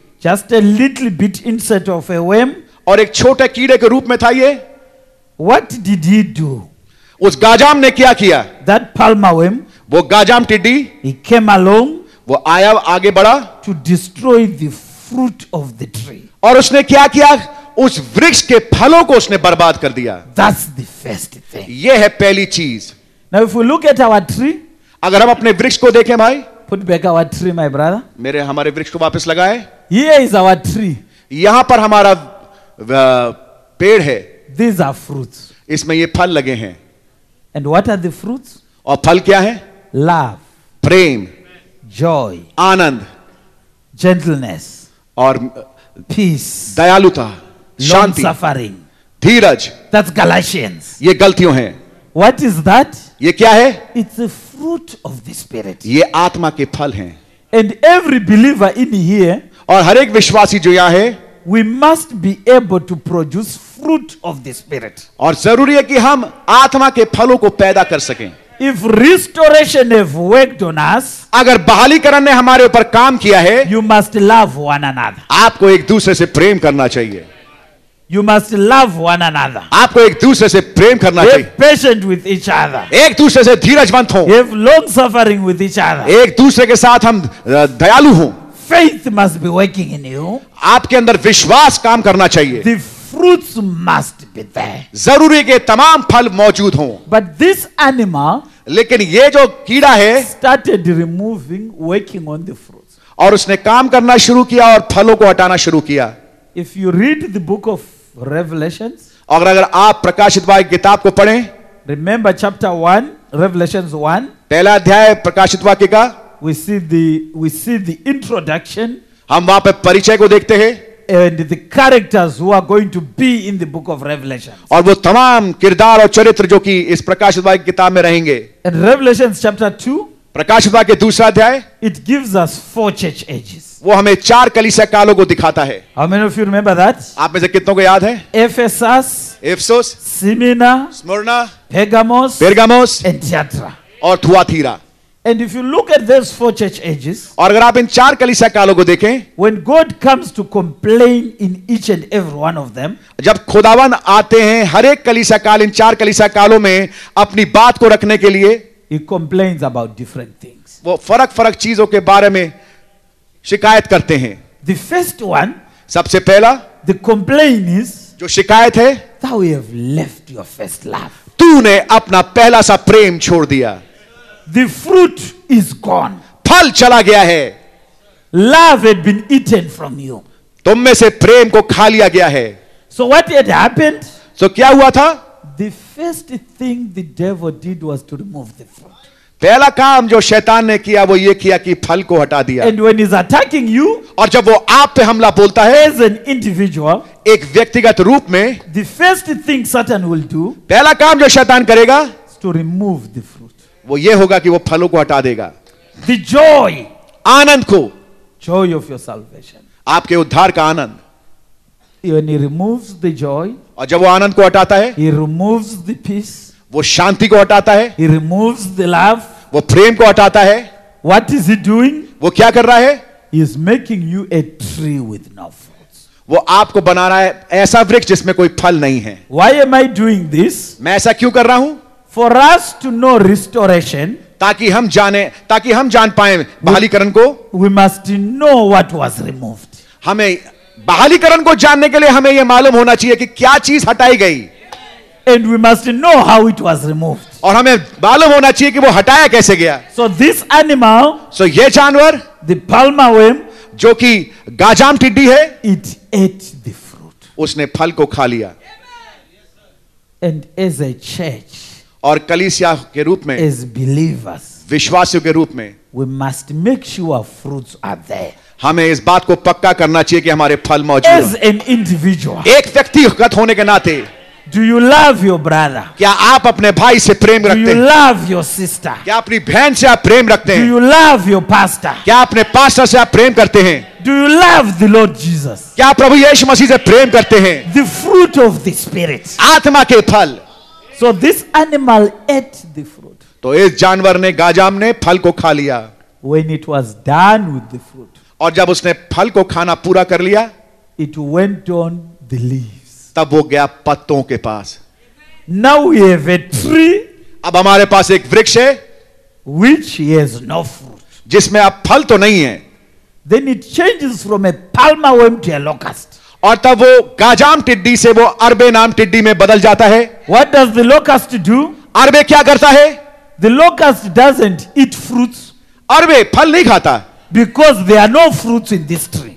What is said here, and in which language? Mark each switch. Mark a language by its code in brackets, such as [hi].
[en] Just a little bit insect of a worm. [hi] और एक छोटे कीड़े के रूप में था ये. [en] What did he do? [hi] उस गाजाम ने क्या किया? [en] That palmavine. [hi] वो गाजाम टिड्डी. [en] He came along. [hi] वो आया आगे बढ़ा. [en] To destroy the fruit of the tree. [hi] और उसने क्या किया? उस वृक्ष के फलों को उसने बर्बाद कर दिया. [en] That's the first thing. [hi] ये है पहली चीज. [en] Now if we look at our tree. [hi] अगर हम अपने वृक्ष को देखें भाई. [en] Put back our tree, my brother. [hi] मेरे हमारे वृक्ष को वापस लगाए. [en] Here is our tree. [hi] यहां पर हमारा पेड़ है. [en] These are fruits. [hi] इसमें ये फल लगे हैं. [en] And what are the fruits? [hi] और फल क्या है? [en] Love. [hi] प्रेम. [en] Joy. [hi] आनंद. [en] Gentleness. [hi] और [en] peace. [hi] दयालुता. शांति. [en] Suffering. [hi] धीरज. [en] That's Galatians. [hi] ये गलतियों हैं. [en] What is that? [hi] ये क्या है? [en] It's a fruit of the spirit. [hi] ये आत्मा के फल हैं. [en] And every believer in here. [hi] और हर एक विश्वासी जो यहाँ है. [en] We must be able to produce fruit of the spirit. [hi] और जरूरी है कि हम आत्मा के फलों को पैदा कर सकें. [en] If restoration has worked on us. [hi] अगर बहालीकरण ने हमारे ऊपर काम किया है. [en] You must love one another. [hi] आपको एक दूसरे से प्रेम करना चाहिए. [en] You must love one another. [hi] आपको एक दूसरे से प्रेम करना चाहिए. [en] Be patient with each other. [hi] एक दूसरे से धीरजवंत हो. [en] Have long suffering with each other. [hi] एक दूसरे के साथ हम दयालु हो. [en] Faith must be working in you. [hi] आपके अंदर विश्वास काम करना चाहिए. [en] The fruits must be there. [hi] जरूरी के तमाम फल मौजूद हों. [en] But this animal. [hi] लेकिन ये जो कीड़ा है. [en] Started removing, working on the fruits. [hi] और उसने काम करना शुरू किया और फलों को हटाना शुरू किया. [en] If you read the book of Revelations, [hi] अगर आप प्रकाशित वाक्य किताब को पढ़ें, [en] remember chapter 1, Revelations 1, [hi] पहला अध्याय प्रकाशित वाक्य का, [en] we see the introduction, [hi] हम वहां पर परिचय को देखते हैं, [en] and the characters who are going to be in the book of Revelation, [hi] और वो तमाम किरदार और चरित्र जो कि इस प्रकाशित वाक्य किताब में रहेंगे, [en] and Revelations chapter 2, [hi] प्रकाशित वाक्य दूसरा अध्याय, [en] it gives us four church ages. [hi] वो हमें चार कलीसिया कालों को दिखाता है. [en] How many of you remember that? [hi] आप में से कितनों को याद है? [en] Ephesus, [hi] Ephesus, [en] Smyrna, [hi] Smyrna, [en] Pergamos, [hi] Pergamos, [en] and Thyatira. [hi] और Thyatira. [en] And if you look at these four church ages, [hi] और अगर आप इन चार कलीसिया कालों को देखें, [en] when God comes to complain in each and every one of them, [hi] जब खुदावन आते हैं हर एक कलीसिया काल इन चार कलीसिया कालों में अपनी बात को रखने के लिए, [en] he complains about different things. [hi] वो फरक-फरक चीजों के बारे में शिकायत करते हैं. [en] The first one, [hi] सबसे पहला, [en] the complaint is, [hi] जो शिकायत है, [en] that we have left your first love. [hi] तूने अपना पहला सा प्रेम छोड़ दिया. [en] The fruit is gone. [hi] फल चला गया है. [en] Love had been eaten from you. [hi] तुम में से प्रेम को खा लिया गया है. [en] So what had happened? [hi] So क्या हुआ था? [en] The first thing the devil did was to remove the fruit. [hi] पहला काम जो शैतान ने किया वो ये किया कि फल को हटा दिया. [en] And when he's attacking you, [hi] और जब वो आप पे हमला बोलता है, [en] as an individual, [hi] एक व्यक्तिगत रूप में, [en] the first thing Satan will do, [hi] पहला काम जो शैतान करेगा, [en] is to remove the fruit. [hi] वो ये होगा कि वो फलों को हटा देगा. [en] The joy, [hi] आनंद को, [en] joy of your salvation, [hi] आपके उद्धार का आनंद, [en] When he removes the joy, [hi] और जब वो आनंद को हटाता है, [en] he removes the peace, [hi] वो शांति को हटाता है, [en] he removes the love, [hi] वो प्रेम को हटाता है, [en] what is he doing? [hi] वो क्या कर रहा है? [en] He is making you a tree with no fruits. [hi] वो आपको बना रहा है ऐसा वृक्ष जिसमें कोई फल नहीं है. [en] Why am I doing this? [hi] मैं ऐसा क्यों कर रहा हूं? [en] For us to know restoration, [hi] ताकि हम जान पाएं बहालीकरण को, [en] we must know what was removed. [hi] हमें बहालीकरण को जानने के लिए हमें यह मालूम होना चाहिए कि क्या चीज हटाई गई. [en] And we must know how it was removed. [hi] और हमें मालूम होना चाहिए कि वो हटाया कैसे गया. [en] So this animal, [hi] so ये जानवर, [en] the palma worm, [hi] जो कि गाजाम टिड्डी है, [en] it ate the fruit. [hi] उसने फल को खा लिया. [en] And as a church, [hi] और कलीसिया के रूप में, [en] as believers, [hi] विश्वासियों के रूप में, [en] we must make sure our fruits are there. [hi] हमें इस बात को पक्का करना चाहिए कि हमारे फल मौजूद हैं. [en] As an individual, [hi] एक व्यक्तिगत होने के नाते, [en] do you love your brother? [hi] क्या आप अपने भाई से प्रेम रखते हैं? [en] Do you love your sister? [hi] क्या अपनी बहन से आप प्रेम रखते हैं? [en] Do you love your pastor? [hi] क्या अपने पास्टर से आप प्रेम करते हैं? [en] Do you love the Lord Jesus? [hi] क्या प्रभु यीशु मसीह से प्रेम करते हैं? [en] The fruit of the spirit. [hi] आत्मा के फल. [en] So this animal ate the fruit. [hi] तो इस जानवर ने गाजाम ने फल को खा लिया. [en] When it was done with the fruit. [hi] और जब उसने फल को खाना पूरा कर लिया, [en] it went on the leaves. [hi] तब वो गया पत्तों के पास. [en] Now we have a tree. [hi] अब हमारे पास एक वृक्ष है, [en] which has no fruit. [hi] जिसमें अब फल तो नहीं है. [en] Then it changes from a palma worm to a locust. [hi] और तब वो गाजाम टिड्डी से वो अरबे नाम टिड्डी में बदल जाता है. [en] What does the locust do? [hi] अरबे क्या करता है? [en] The locust doesn't eat fruits. [hi] अरबे फल नहीं खाता. [en] Because there are no fruits in this tree.